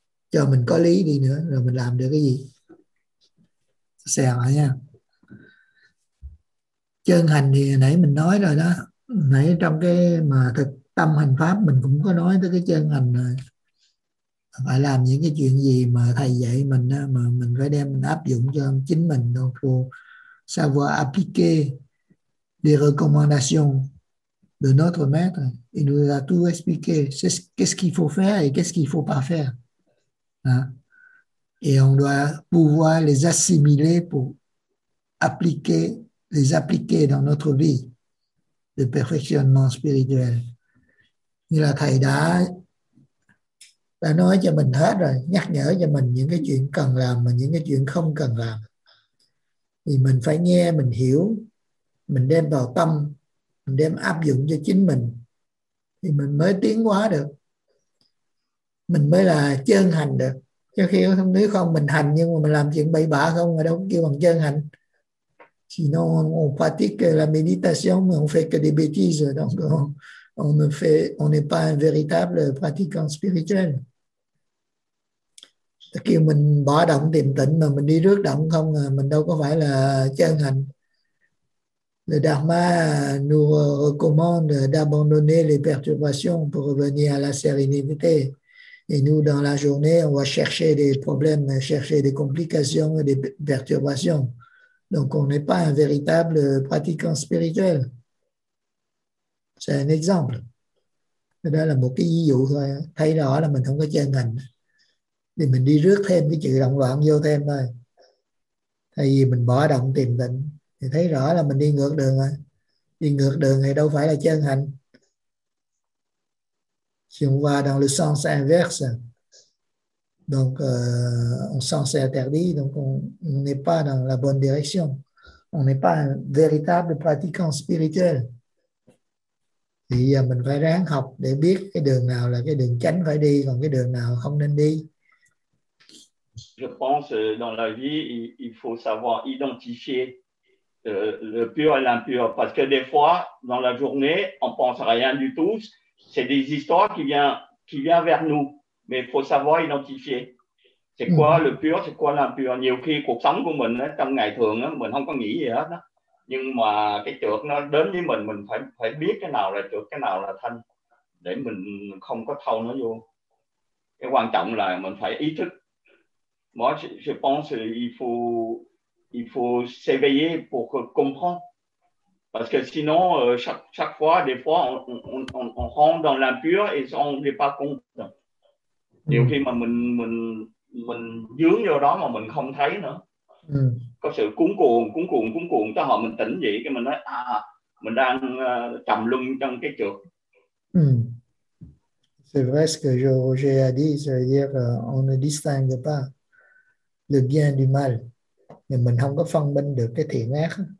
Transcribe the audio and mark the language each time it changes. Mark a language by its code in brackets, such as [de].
[vi] Cho mình có lý đi nữa, rồi mình làm được cái gì? Xèo rồi nha. Chân hành thì nãy mình nói rồi đó. Nãy trong cái mà thực tâm hành pháp mình cũng có nói tới cái chân hành rồi. Phải làm những cái chuyện gì mà thầy dạy mình đó, mà mình phải đem mình áp dụng cho chính mình. [fr] Donc, savoir appliquer les recommandations de notre maître. Il nous a tout expliqué. Qu'est-ce qu'il faut faire et qu'est-ce qu'il ne faut pas faire. Et on doit pouvoir les assimiler pour les appliquer dans notre vie de perfectionnement spirituel. [vi] Như là thầy đã nói cho mình hết rồi, nhắc nhở cho mình những cái chuyện cần làm và những cái chuyện không cần làm. Thì mình phải nghe, mình hiểu, mình đem vào tâm, mình đem áp dụng cho chính mình thì mình mới tiến hóa được. Mình mới là chân hành được. Cho khi nếu không mình hành nhưng mà mình làm chuyện bậy bạ không mà đâu kêu bằng chân hành. [fr] Sinon on pratique la méditation mais on fait que des bêtises, donc on n'est pas un véritable pratiquant spirituel. [vi] Kêu mình bỏ động tìm tịnh mà mình đi rước động không, mình đâu có phải là chân hành. [fr] Le dharma nous recommande d'abandonner les perturbations pour revenir à la sérénité. Et nous, dans la journée, on va chercher des problèmes, chercher des complications et des perturbations. Donc, on n'est pas un véritable pratiquant spirituel. C'est un exemple. [vi] Cái đó là một cái ví dụ thôi. Thấy rõ là mình không có chân hành. Thì mình đi rước thêm cái chữ động loạn vô thêm thôi. Thay vì mình bỏ động tìm tịnh, thì thấy rõ là mình đi ngược đường rồi. Đi ngược đường thì đâu phải là chân hành. [fr] si on va dans le sens inverse, donc on s'en est interdit, donc on n'est pas dans la bonne direction. On n'est pas un véritable pratiquant spirituel. [vi] Thì giờ mình phải ráng học để biết cái đường nào là cái đường chánh phải đi, còn cái đường nào không nên đi. [fr] Je pense dans la vie il faut savoir identifier le pur et l'impur, parce que des fois dans la journée on pense rien du tout, c'est des histoires qui vient vers nous, mais il faut savoir identifier c'est quoi le pur, c'est quoi l'impur. [vi] Nhiều khi cuộc sống của mình trong ngày thường mình không có nghĩ gì hết đó, nhưng mà cái trược nó đến với mình phải biết cái nào là trược, cái nào là thanh, để mình không có thâu nó vô. Cái quan trọng là mình phải ý thức. [fr] Moi, je pense il faut s'éveiller pour comprendre. Parce que sinon, chaque fois, des fois, on rentre dans l'impur et on ne l'est pas compte. [vi] Nhiều khi mà mình dướng vô đó mà mình không thấy nữa. Có sự cuốn cuồng, cho họ mình tỉnh dậy, cái mình nói, mình đang trầm luân trong cái trược. [fr] C'est vrai ce que Roger a dit, c'est-à-dire on ne distingue pas le bien du mal, [vi] thì mình không có phân minh được cái thiện ác.